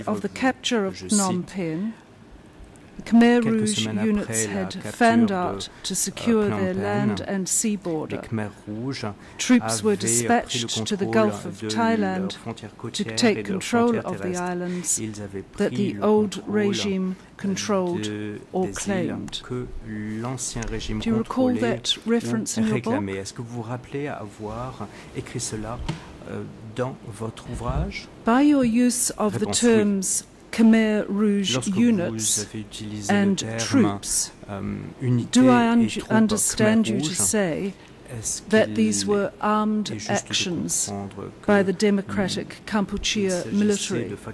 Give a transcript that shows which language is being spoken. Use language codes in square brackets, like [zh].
[en] of the capture of Phnom Penh, the Khmer Rouge units had fanned out to secure their land and sea border. Troops were dispatched to the Gulf of Thailand to take control of the islands that the old regime controlled or claimed. Do you recall that reference in your book? [fr] Est-ce que vous vous rappelez avoir écrit cela dans votre ouvrage? [en] By your use of the terms Khmer Rouge units and troops, do I understand you to say that these were armed actions by the Democratic Kampuchea military?